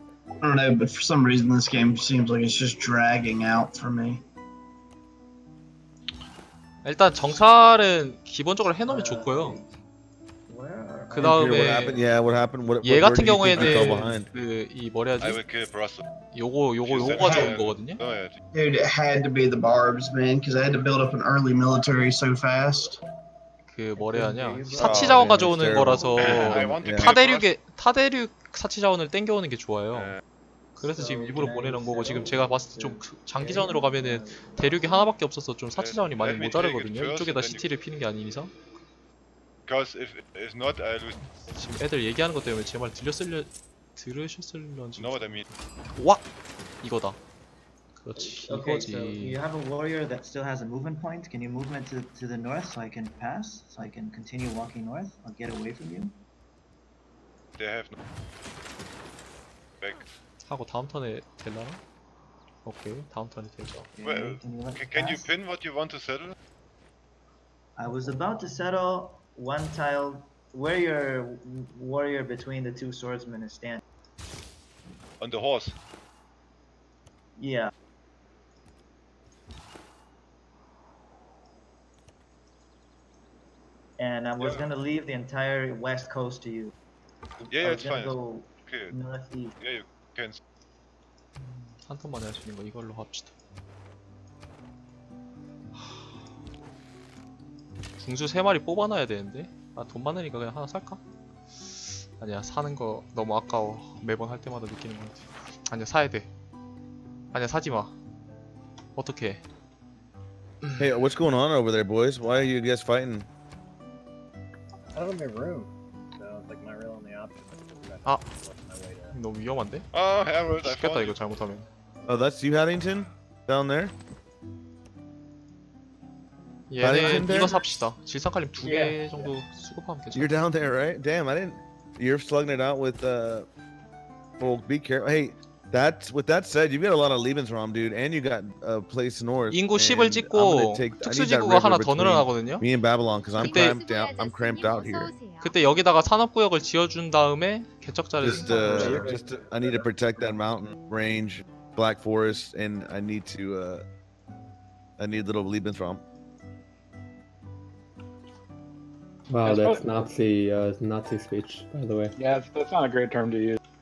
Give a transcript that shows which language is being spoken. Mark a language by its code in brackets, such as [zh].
[en] I don't know, but for some reason this game seems like it's just dragging out for me. [ko] 일단 정찰은 기본적으로 해놓으면 좋고요. 그 다음에 얘 같은 경우에는 그 이 뭐라 하지? 요거가 좋은 거거든요. [en] Dude, it had to be the barbs, man, because I had to build up an early military so fast. [ko] 그 뭐래 하냐 사치 자원 가져오는 거라서 타대륙에 타대륙 사치 자원을 땡겨오는 게 좋아요. 그래서 지금 일부러 보내는 거고 지금 제가 봤을 때 좀 장기전으로 가면은 대륙이 하나밖에 없어서 좀 사치 자원이 많이 모자르거든요. 이쪽에다 CT를 피는 게 아닌 이상. [en] Because if not, I lose. [ko] 지금 애들 얘기하는 것 때문에 제 말 들으셨을런지. [en] Know what I mean? [ko] 와! 이거다. 그렇지. [en] Okay, [ko] 이거지. [en] So you have a warrior that still has a movement point. Can you move it to the north so I can pass? So I can continue walking north? I'll get away from you? They have no. Back. 하고 다음 턴에 되나? 오케이, 다음 턴이 되죠. Well, can you pin what you want to settle? I was about to settle one tile where your warrior between the two swordsmen is standing. On the horse? Yeah. And I was gonna leave the entire west coast to you. Yeah, yeah, it's fine. Okay. Yeah, you can. [ko] 한 턴만 할 수 있는 거 이걸로 합시다. 궁수 세 마리 뽑아놔야 되는데? 아, 돈 많으니까 그냥 하나 살까? 아니야, 사는 거 너무 아까워. 매번 할 때마다 느끼는 건지. 아니야, 사야 돼. 아니야, 사지 마. 어떡해. [en] Hey, what's going on over there, boys? Why are you guys fighting? I don't have my room. So, like, my real only option. [ko] 아, 너무 위험한데? 죽겠다, 이거 잘못하면. [en] Oh, that's you, Haddington? Down there? [ko] 얘네 이거 삽시다. 질산칼륨 두 개 정도 수급하면 괜찮아. [en] You're down there, right? Damn, I didn't. You're slugging it out with Well, be careful. Hey, that's with that said, you've got a lot of Lebensraum, dude, and you got a place north. [ko] 인구 10을 찍고 특수지구가 하나 더 늘어나거든요. [en] Me and Babylon, because I'm cramped out here. [ko] 그때 여기다가 산업구역을 지어준 다음에 개척자를. [en] Just I need to protect that mountain range, Black Forest, and I need to I need a little Lebensraum. Wow, that's Nazi, Nazi speech, by the way. Yeah, that's not a great term to use.